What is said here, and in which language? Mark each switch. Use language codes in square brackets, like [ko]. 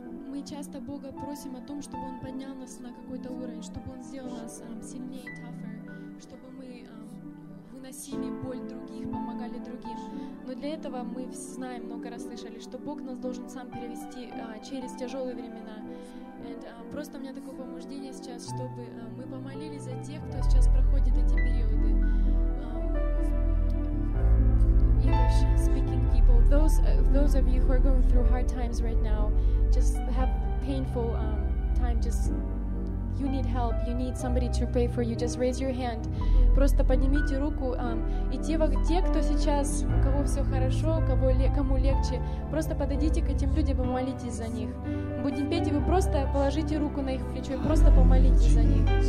[ru] Мы часто Бога просим о том, чтобы Он поднял нас на какой-то уровень, чтобы Он сделал нас сильнее, tougher, чтобы мы выносили боль других, помогали другим. Но для этого мы знаем, много раз слышали, что Бог нас должен сам перевести через тяжелые времена. Просто у меня такое побуждение сейчас, чтобы мы помолились за тех, кто сейчас проходит эти периоды. [en] English speaking people, those of you who are going through hard times right now, just have painful time, just you need help, you need somebody to pray for you, just raise your hand. [ru] Просто поднимите руку, и те, кто сейчас, у кого все хорошо, кому легче, просто подойдите к этим людям и помолитесь за них. Будем петь, и вы просто положите руку на их плечо и просто помолитесь за них.